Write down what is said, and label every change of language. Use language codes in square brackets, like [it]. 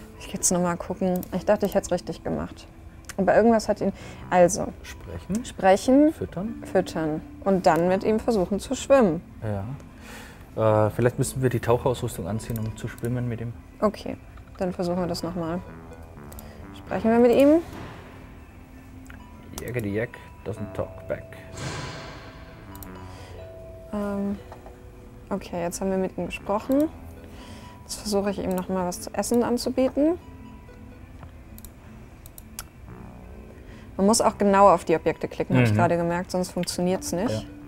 [de] Ich geh jetzt nochmal gucken. Ich dachte, ich hätte es richtig gemacht. Aber irgendwas hat ihn. Also. Sprechen. Sprechen. Füttern. Füttern. Und dann mit ihm versuchen zu schwimmen. Ja. Vielleicht müssen wir die Tauchausrüstung anziehen, um zu schwimmen mit ihm. Okay, dann versuchen wir das nochmal. Sprechen wir mit ihm. [en] Jaggedy Jack doesn't talk back. [de] Okay, jetzt haben wir mit ihm gesprochen. Jetzt versuche ich ihm nochmal was zu essen anzubieten. Man muss auch genau auf die Objekte klicken, habe ich gerade gemerkt, sonst funktioniert es nicht. Ja.